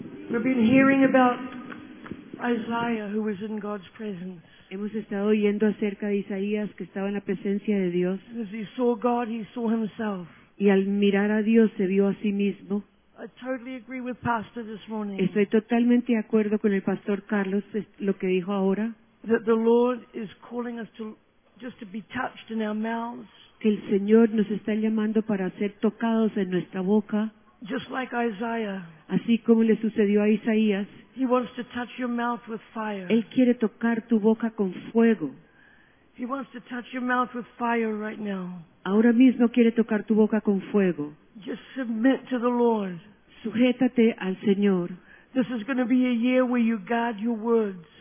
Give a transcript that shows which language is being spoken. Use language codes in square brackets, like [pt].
[en] We've been hearing about Isaiah, who was in God's presence. [es] Hemos estado oyendo acerca de Isaías, que estaba en la presencia de Dios. [en] As he saw God, he saw himself. [es] Y al mirar a Dios, se vio a sí mismo. [en] I totally agree with Pastor this morning. [es] Estoy totalmente de acuerdo con el Pastor Carlos, lo que dijo ahora. [en] That the Lord is calling us to just to be touched in our mouths. [es] Que el Señor nos está llamando para ser tocados en nuestra boca. [en] Just like Isaiah. [es] Así como le sucedió a Isaías. [en] He wants to touch your mouth with fire. [es] Él quiere tocar tu boca con fuego. [en] He wants to touch your mouth with fire right now. [es] Ahora mismo quiere tocar tu boca con fuego. [en] Just submit to the Lord. [es] Sujétate al Señor. [en] This is going to be a year where you guard your words.